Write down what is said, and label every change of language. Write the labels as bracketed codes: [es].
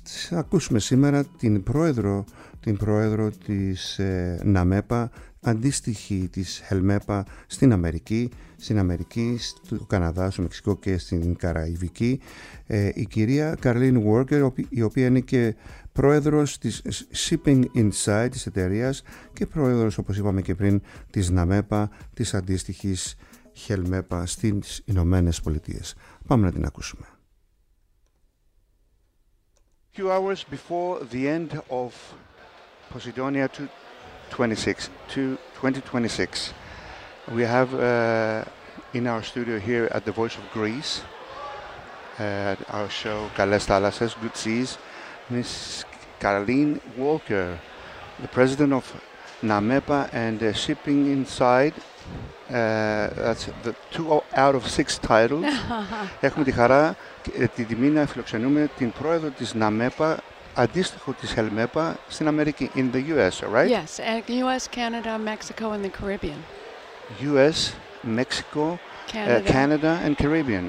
[el] ακούσουμε σήμερα την πρόεδρο της ΝΑΜΕΠΑ, αντίστοιχη της ΧΕΛΜΕΠΑ στην Αμερική, στο Καναδά, στο Μεξικό και στην Καραϊβική, η κυρία Καρλίν Βόρκερ, η οποία είναι και πρόεδρος της Shipping Insight, της εταιρείας, και πρόεδρος, όπως είπαμε και πριν, της ΝΑΜΕΠΑ, της αντίστοιχης ΧΕΛΜΕΠΑ στις Ηνωμένες Πολιτείες. Πάμε να την ακούσουμε. [en] Few hours before the end of Posidonia 2026, we have in our studio here at the Voice of Greece, at our show Kales Thalassas, Good Seas, Ms. Caroline Walker, the president of NAMEPA and Shipping Inside. That's the two out of six titles. [el] Έχουμε τη χαρά και την τιμή να φιλοξενούμε την πρόεδρο της ΝΑΜΕΠΑ, αντίστοιχο της ΧΕΛΜΕΠΑ στην Αμερική, [en] in the US, right? Yes, US, Canada, Mexico and the Caribbean. US, Mexico, Canada and Caribbean.